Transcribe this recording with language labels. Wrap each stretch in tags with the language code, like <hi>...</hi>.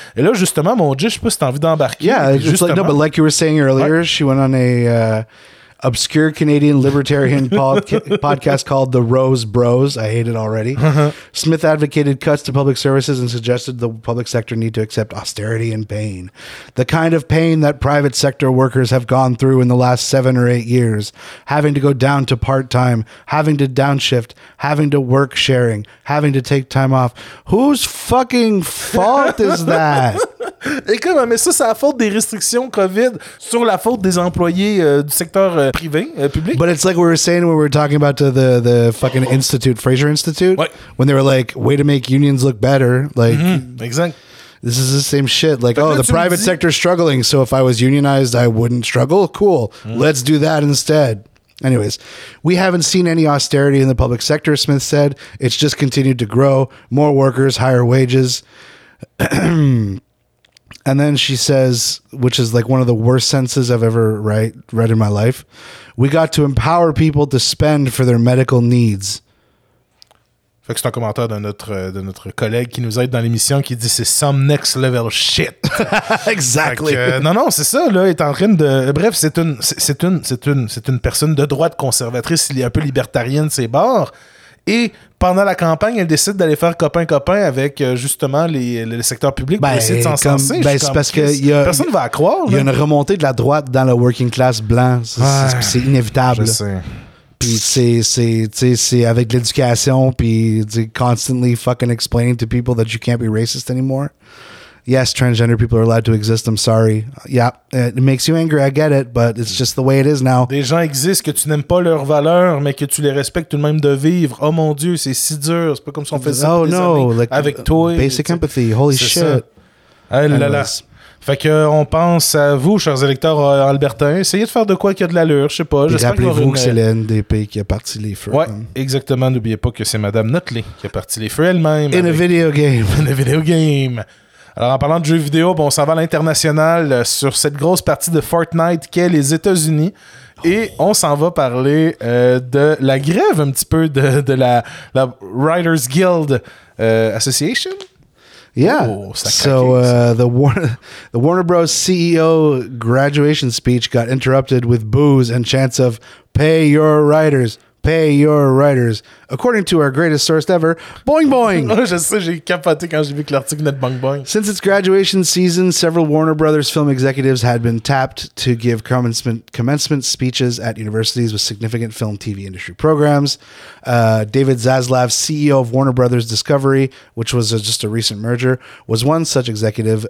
<fr>Et là, justement, mon Dieu, je sais pas si t'as envie d'embarquer.</fr> <en>Yeah, just like, no, but like you were saying earlier, ouais. She went on a obscure Canadian libertarian podcast called The Rose Bros. I hate it already. Smith advocated cuts to public services and suggested the public sector need to accept austerity and pain. The kind of pain that private sector workers have gone through in the last 7 or 8 years. Having to go down to part-time, having to downshift, having to work sharing, having to take time off. Whose fucking fault is that?</en> <fr>Et comme, mais ça, c'est la faute des restrictions COVID sur la faute des employés du secteur privé, public.</fr> <en>But it's like we were saying when we were talking about the fucking Institute, Fraser Institute,</en> <fr>ouais.</fr> <en>When they were like, way to make unions look better. Like,</en> <fr>mm-hmm. Exact.</fr> <en>This is the same shit. Like, fait oh, the private sector struggling, so if I was unionized, I wouldn't struggle. Cool. Mm-hmm. Let's do that instead. Anyways, we haven't seen any austerity in the public sector, Smith said. It's just continued to grow. More workers, higher wages. And then she says, which is like one of the worst sentences I've ever read in my life. We got to empower people to spend for their medical needs.</en> <fr>Fait que c'est un commentaire de notre collègue qui nous aide dans l'émission qui dit c'est</fr> <en>some next level shit. Exactly.</en> <fr>Fait que, non, c'est ça, là. Il est en train de. Bref, c'est une personne de droite conservatrice. Il est un peu libertarienne, ses bords. Et pendant la campagne, elle décide d'aller faire copain-copain avec justement les secteurs publics pour essayer de s'en sortir. C'est parce que personne ne va croire. Il y a une remontée de la droite dans le working class blanc. C'est inévitable. Je sais. Puis c'est avec l'éducation, puis</fr> <en>constantly fucking explaining to people that you can't be racist anymore. Yes, transgender people are allowed to exist. I'm sorry. Yeah, it makes you angry. I get it, but it's just the way it is now.</en> <fr>Des gens existent que tu n'aimes pas leurs valeurs, mais que tu les respectes tout de même de vivre. Oh mon Dieu, c'est si dur. C'est pas comme si on faisait ça pour des années like, avec toi.</fr> <en>Basic empathy. Holy shit.</en> <fr>Ah là là. Fait qu'on pense à vous, chers électeurs albertains. Essayez de faire de quoi qu'il y a de l'allure, je sais pas. Et rappelez-vous que c'est le NDP qui a parti les feux. Ouais, exactement. N'oubliez pas que c'est Madame Notley qui a parti les feux elle-même.</fr> <en>In a video game. In a video game.</en> <fr>Alors, en parlant de jeux vidéo, bon, on s'en va à l'international sur cette grosse partie de Fortnite qu'est les États-Unis. Et on s'en va parler de la grève un petit peu de la Writers Guild Association.</fr> <en>Yeah. Oh, so the Warner Bros. CEO graduation speech got interrupted with boos and chants of "Pay your writers, pay your writers." According to our greatest source ever, Boing Boing.</en> <fr>Je sais, j'ai capoté quand j'ai vu que l'article venait de Boing Boing.</fr> <en>Since its graduation season, several Warner Brothers film executives had been tapped to give commencement speeches at universities with significant film TV industry programs. David Zaslav, CEO of Warner Brothers Discovery, which was just a recent merger, was one such executive.</en>